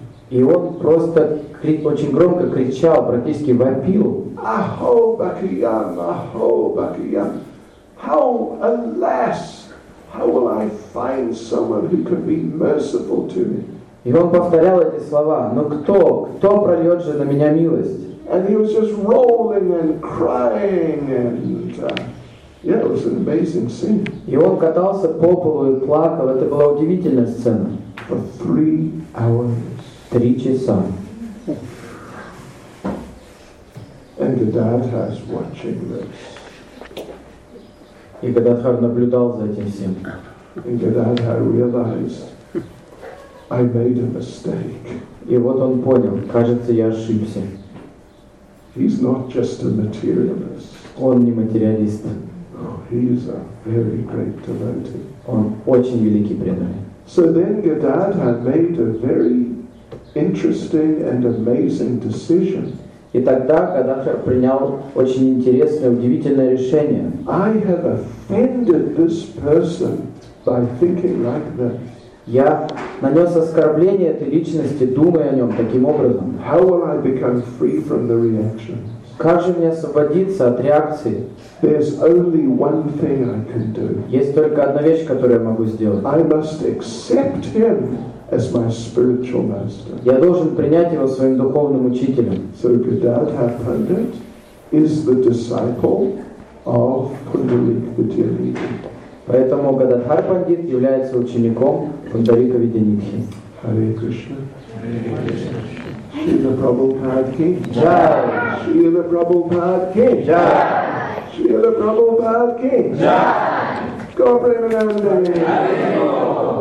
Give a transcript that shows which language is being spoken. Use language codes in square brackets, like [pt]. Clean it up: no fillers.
[ru] И он просто очень громко кричал, практически вопил. [sa] Ахо, Бакиян, ахо, Бакиян. [en] How, alas, how will I find someone who can be merciful to me? [ru] И он повторял эти слова. Но кто? Кто прольет же на меня милость? [en] And he was just rolling and crying and yeah, it was an amazing scene. [ru] И он катался по полу и плакал. Это была удивительная сцена. [en] For 3 hours. [ru] 3 часа. [en] And the Gadadhar's watching this. [ru] И Гададхар наблюдал за этим всем. [en] And Gadadhar realized, I made a mistake. [ru] И вот он понял, кажется, я ошибся. [en] He's not just a materialist. [ru] Он не материалист. [en] He is a very great devotee. [ru] Он очень великий преданный. [en] So then Gadadhar made a very interesting and amazing decision. [ru] И тогда Гададхар принял очень интересное, удивительное решение. [en] I have offended this person by thinking like this. [ru] Я нанес оскорбление этой личности, думая о нем таким образом. [en] How will I become free from the reaction? [ru] Как же мне освободиться от реакции? [en] There's only one thing I can do. [ru] Есть только одна вещь, которую я могу сделать. [en] I must accept him as my spiritual master. [ru] Я должен принять его своим духовным учителем. [en] So Gadadhar Pandit is the disciple of Pundarika Vidyanidhi. [ru] Поэтому Гададхар Пандит является учеником Пундарика Видянитхи. [sa] Hare Krishna. Hare Krishna. Srila Prabhupada ki jai. Srila Prabhupada ki jai. Srila Prabhupada ki jai.